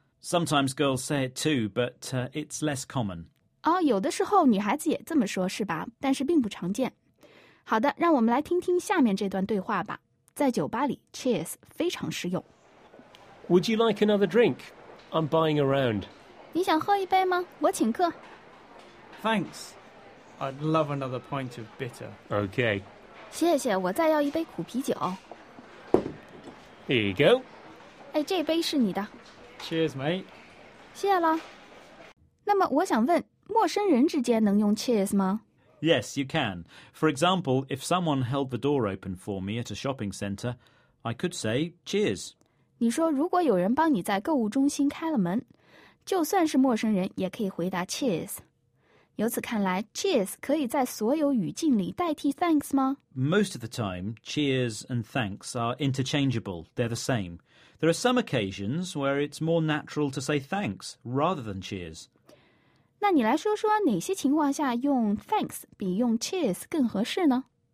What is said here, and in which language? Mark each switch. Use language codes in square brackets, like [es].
[en] Sometimes girls say it too, but it's less common. [zh] 哦，有的时候女孩子也这么说，是吧？但是并不常见。好的，让我们来听听下面这段对话吧。在酒吧里 ，cheers 非常实用。 [en] Would you like another drink? I'm buying a round. [zh] 你想喝一杯吗？我请客。 [en] Thanks. I'd love another pint of bitter. Okay. [zh] 谢谢，我再要一杯苦啤酒。 [en] Here you go. [zh] 哎，这杯是你的。 [en] Cheers, mate. [zh] 谢了。那么我想问，陌生人之间能用 cheers 吗？ [en] Yes, you can. For example, if someone held the door open for me at a shopping center, I could say cheers. [zh] 你说如果有人帮你在购物中心开了门，就算是陌生人也可以回答 cheers. 由此看来 cheers 可以在所有语境里代替 thanks 吗？ [en] Most of the time, cheers and thanks are interchangeable. They're the same. There are some occasions where it's more natural to say thanks rather than cheers. [zh] 那你来说说哪些情况下用 thanks 比用 cheers 更合适呢？